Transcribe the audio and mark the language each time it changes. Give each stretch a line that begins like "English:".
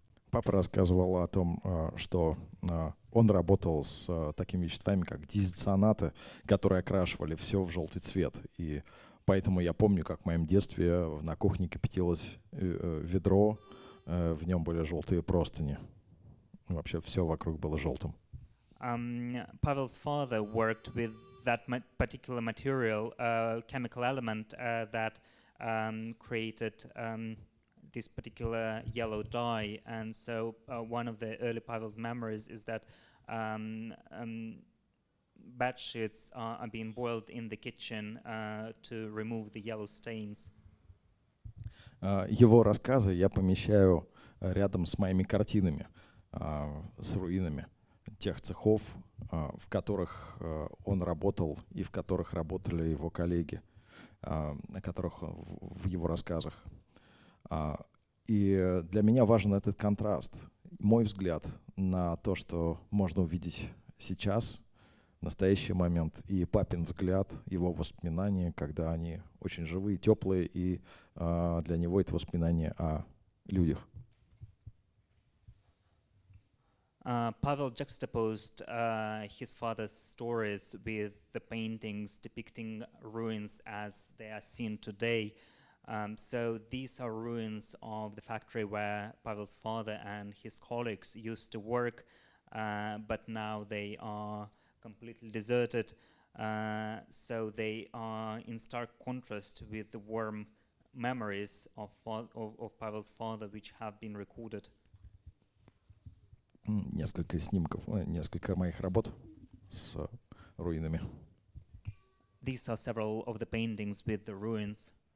Russian: Папа рассказывал о том, что он работал с такими веществами, как дизоцианаты, которые окрашивали все в желтый цвет. И поэтому я помню, как в моем детстве на кухне кипятилось ведро, в нем были желтые простыни. Вообще все вокруг было желтым.
English: Павел's father worked with that particular material, chemical element that created this particular yellow dye, and so one of the early Pavel's memories is that bed sheets are being boiled in the kitchen to remove the yellow stains.
Russian: Его рассказы я помещаю рядом с моими картинами, с руинами тех цехов, в которых он работал и в которых работали его коллеги, о которых в его рассказах. И для меня важен этот контраст. Мой взгляд на то, что можно увидеть сейчас, в настоящий момент, и папин взгляд, его воспоминания, когда они очень живые, теплые, и для него это воспоминание о людях.
English: Pavel juxtaposed his father's stories with the paintings depicting ruins as they are seen today. So these are ruins of the factory where Pavel's father and his colleagues used to work, but now they are completely deserted. So they are in stark contrast with the warm memories of Pavel's father, which have been recorded.
Russian: Несколько снимков, несколько моих работ с руинами.
English: These are several of the paintings with the ruins.